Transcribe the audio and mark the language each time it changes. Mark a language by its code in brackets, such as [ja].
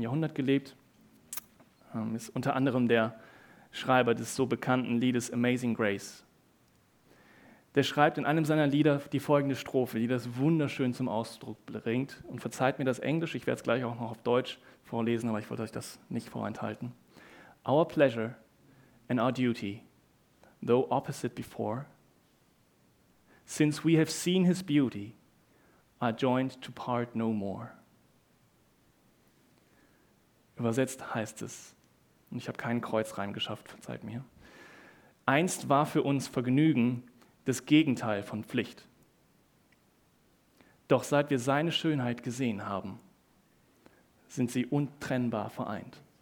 [de] Jahrhundert gelebt, ist unter anderem der Schreiber des so bekannten Liedes Amazing Grace. Der schreibt in einem seiner Lieder die folgende Strophe, die das wunderschön zum Ausdruck bringt. Und verzeiht mir das Englisch, ich werde es gleich auch noch auf Deutsch vorlesen, aber ich wollte euch das nicht vorenthalten. [en] Our pleasure and our duty, though opposite before, since we have seen his beauty, are joined to part no more. [de] Übersetzt heißt es, und ich habe keinen Kreuzreim geschafft, verzeiht mir. Einst war für uns Vergnügen das Gegenteil von Pflicht. Doch seit wir seine Schönheit gesehen haben, sind sie untrennbar vereint.